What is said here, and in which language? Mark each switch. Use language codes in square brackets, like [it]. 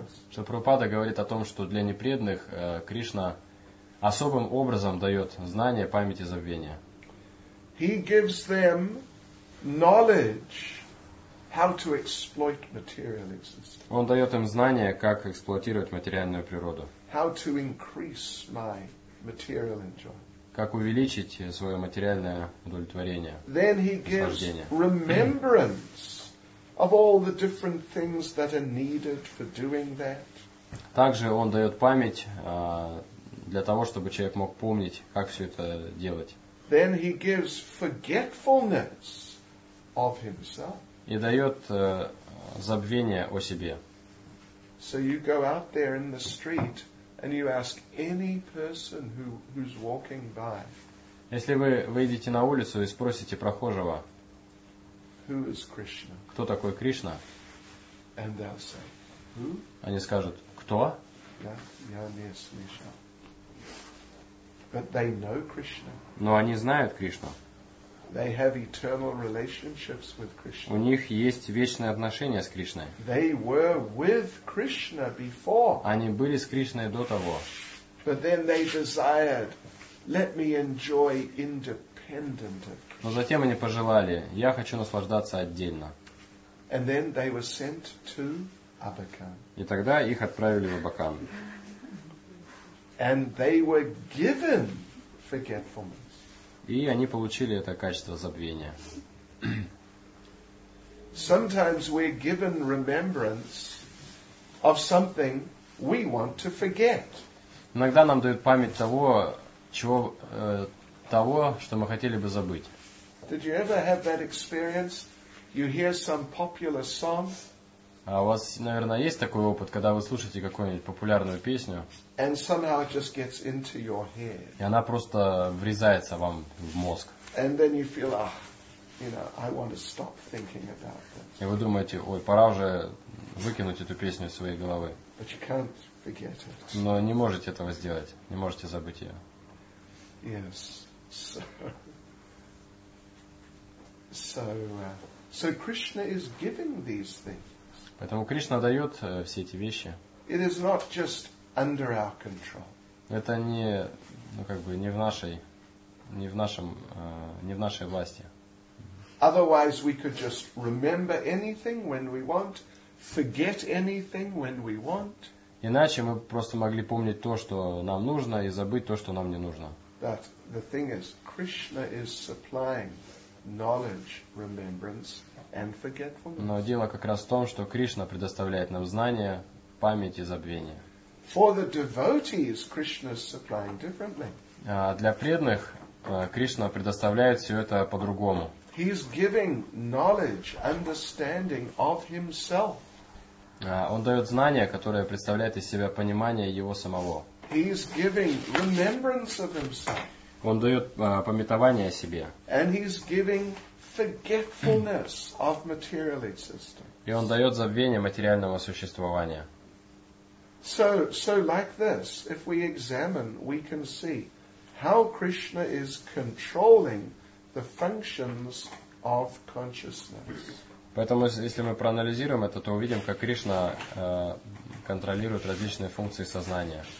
[ru] Шрила Прабхупада говорит о том, что для непреданных Кришна особым образом дает знания, память и забвение. [en] He gives them knowledge how to exploit material existence. [ru] Он дает им знания, как эксплуатировать материальную природу. [en] How to increase my material enjoyment. [ru] Как увеличить свое материальное удовлетворение. [en] Then he gives remembrance of all the different things that are needed for doing that. [ru] Также он дает память для того, чтобы человек мог помнить, как все это делать. [en] Then he gives forgetfulness of himself. [ru] И дает забвение о себе. [en] So you go out there in the street and you ask any person who's walking by. [ru] Если вы выйдете на улицу и спросите прохожего, [en] who is Krishna? [ru] Кто такой Кришна? [en] And they'll say, who? [ru] Они скажут, кто? Да, я не слышал. [en] But they know Krishna. [ru] Но они знают Кришну. [en] They have eternal relationships with Krishna. [ru] У них есть вечные отношения с Кришной. [en] They were with Krishna before. [ru] Они были с Кришной до того. [en] But then they desired, let me enjoy independent of Krishna. [ru] Но затем они пожелали, я хочу наслаждаться отдельно. [en] And then they were sent to Abakan. [ru] И тогда их отправили в Абакан. [en] And they were given forgetfulness. [ru] И они получили это качество забвения. [en] Sometimes we're given remembrance of something we want to forget. [ru] Иногда нам дают память того, чего, того, что мы хотели бы забыть. [en] Did you ever have that experience? You hear some popular song. [ru] А у вас, наверное, есть такой опыт, когда вы слушаете какую-нибудь популярную песню, [en] and somehow it just gets into your head. [ru] И она просто врезается вам в мозг. [en] And then you feel, oh, you know, I want to stop thinking about this. [ru] И вы думаете, ой, пора уже выкинуть эту песню из своей головы. [en] But you can't forget it. [ru] Но не можете этого сделать, не можете забыть ее. [en] Yes. So Krishna is giving these things. [ru] Поэтому Кришна дает все эти вещи. [en] It is not just under our control. [ru] Это не, ну как бы, не в нашей, не в нашем, не в нашей власти. [en] Otherwise we could just remember anything when we want, forget anything when we want. [ru] Иначе мы просто могли помнить то, что нам нужно, и забыть то, что нам не нужно. [en] But the thing is, Krishna is supplying knowledge, remembrance. [ru] Но дело как раз в том, что Кришна предоставляет нам знания, память и забвение. [en] For the devotees, Krishna is supplying differently. [ru] А для преданных Кришна предоставляет все это по-другому. [en] He is giving knowledge, understanding of himself. [ru] Он дает знания, которое представляет из себя понимание его самого. [en] He is giving remembrance of himself. [ru] Он дает памятование о себе. [en] And he is giving forgetfulness of material existence. [ru] И он дает забвение материального существования. [en] So like this, if we examine, we can see how Krishna is controlling the functions of consciousness. [ru] Поэтому, если мы проанализируем это, то увидим, как Кришна контролирует различные функции сознания.